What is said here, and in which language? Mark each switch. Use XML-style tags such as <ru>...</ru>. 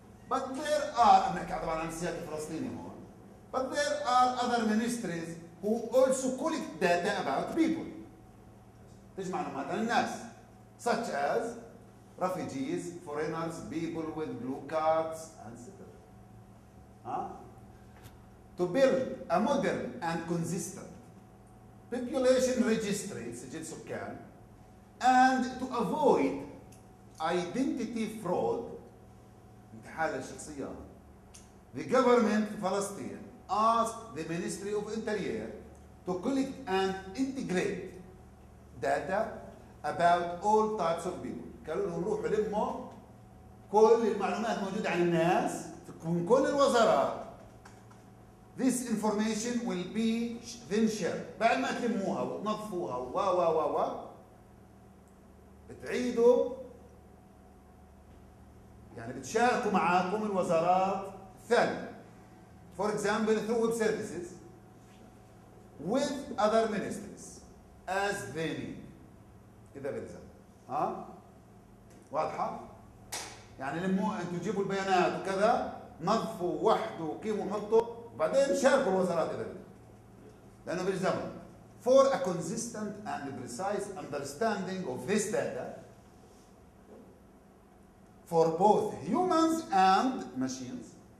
<ar>بتطير انك عبارة عن سياسي فلسطيني هون.</ar> <en>But there are other ministries who also collect data about people.</en> <ar>تجمع معلومات عن الناس.</ar> <en>Such as refugees, foreigners, people with blue cards, etc. To build a modern and consistent population registry,</en> <ar>سجل سكان,</ar> <en>and to avoid identity fraud,</en> <ar>انتحال الشخصيات,</ar> <en>the government of Palestine asked the Ministry of Interior to collect and integrate data about all types of people.</en> <ar>قالوا لهم روح لموا كل المعلومات موجودة عن الناس من كل الوزارات.</ar> <en>This information will be then shared.</en> <ar>بعد ما تلموها وتنظفوها و و و و بتعيدوا يعني بتشاركوا معاكم الوزارات الثانية.</ar> <en>For example, through web services with other ministries as they need.</en> <ar>إذا بتزال. ها؟ واضحة؟ يعني لما أنتوا تجيبوا البيانات وكذا نظفوا وحدوا وقيموا وحطوا بعدين شاركوا الوزارات إذا بتزال. لأنه بالزمن.</ar> <en>For a consistent and precise understanding of this data for both humans and machines.</en>